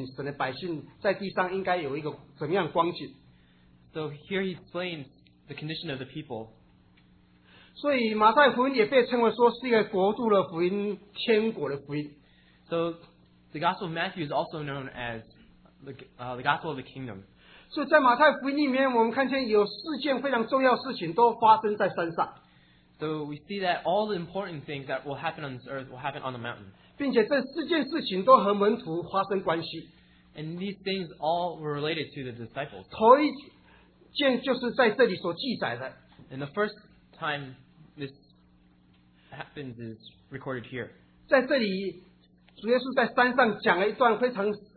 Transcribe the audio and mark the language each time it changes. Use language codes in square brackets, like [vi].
[zh] 我们看见将来国度显现那个光景，神的百姓在地上应该有一个怎么样光景。 [en] So here he explains the condition of the people. [zh] 所以马太福音也被称为说是一个国度的福音，天国的福音。 [en] So the Gospel of Matthew is also known as the Gospel of the Kingdom. [zh] 所以在马太福音里面，我们看见有四件非常重要的事情都发生在山上。 [en] So we see that all the important things that will happen on this earth will happen on the mountain. [zh] 并且这四件事情都和门徒发生关系。 [en] And these things all were related to the disciples. [zh] 头一件就是在这里所记载的。 [en] And the first time this happens is recorded here. [zh] 在这里，主耶稣在山上讲了一段非常